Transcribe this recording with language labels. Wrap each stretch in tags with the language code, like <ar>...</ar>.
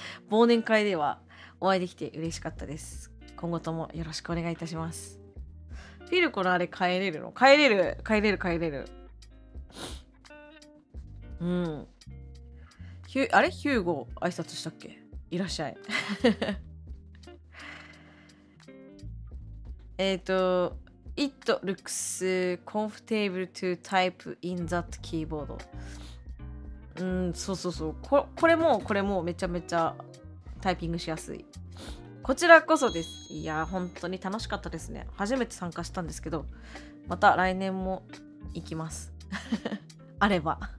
<ja>忘年会ではお会いできて嬉しかったです。今後ともよろしくお願いいたします。フィルコのあれ変えれるの？変えれる、変えれる、変えれる。うん。あれ？ヒューゴ挨拶したっけ？いらっしゃい。</ja> <en>It looks comfortable to type in that keyboard.</en> <ja>うん、そうそうそう。これもめちゃめちゃタイピングしやすい。こちらこそです。いや、本当に楽しかったですね。初めて参加したんですけど、また来年も行きます。あれば。</ja>